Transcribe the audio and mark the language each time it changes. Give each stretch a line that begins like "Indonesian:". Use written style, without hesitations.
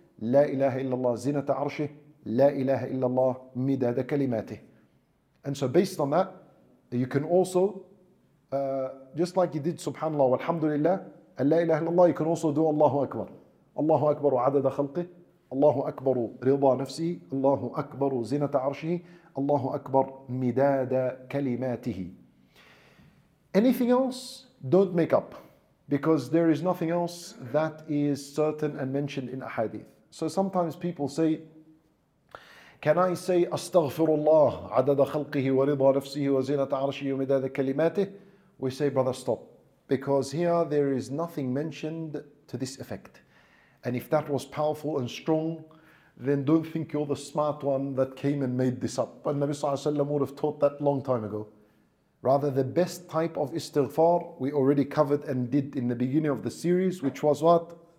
Arabic: لا إله إلا الله زينة عرشه. لا إله إلا الله مداد كلماته.
English: And so based on that, you can also, just like you did
Arabic: سبحان الله والحمد لله, لا إله إلا الله,
English: you can also do
Arabic: الله أكبر. الله أكبر عدد خلقه. الله أكبر رضا نفسه الله أكبر زنة عرشه الله أكبر مداد كلماته.
English: Anything else, don't make up, because there is nothing else that is certain and mentioned in a hadith. So sometimes people say, can I say
Arabic: أستغفر الله عدد خلقه ورضا نفسه وزنة عرشه ومداد كلماته?
English: We say, brother, stop, because here there is nothing mentioned to this effect. And if that was powerful and strong, then don't think you're the smart one that came and made this up. And Nabi Sallallahu Alaihi Wasallam would have taught that long time ago. Rather, the best type of istighfar we already covered and did in the beginning of the series, which was what?